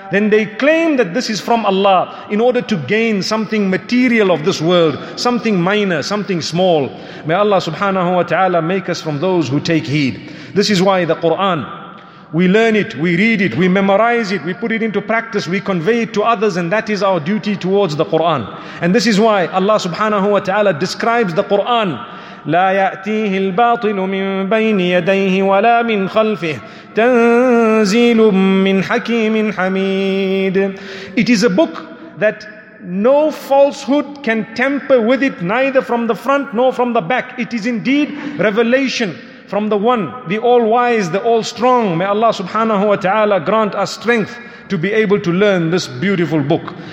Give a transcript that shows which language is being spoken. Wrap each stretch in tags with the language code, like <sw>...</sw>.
<en>Then they claim that this is from Allah in order to gain something material of this world, something minor, something small. May Allah subhanahu wa ta'ala make us from those who take heed. This is why the Qur'an, We learn it, we read it, we memorize it, we put it into practice, we convey it to others, and that is our duty towards the Qur'an. And this is why Allah subhanahu wa ta'ala describes the Qur'an.</en> <ar>لا يأتيه الباطل من بين يديه ولا من خلفه تنزيل من حكيم حميد.</ar> <en>It is a book that no falsehood can tamper with it, neither from the front nor from the back. It is indeed revelation from the One, the All-Wise, the All-Strong. May Allah subhanahu wa ta'ala grant us strength to be able to learn this beautiful book.</en>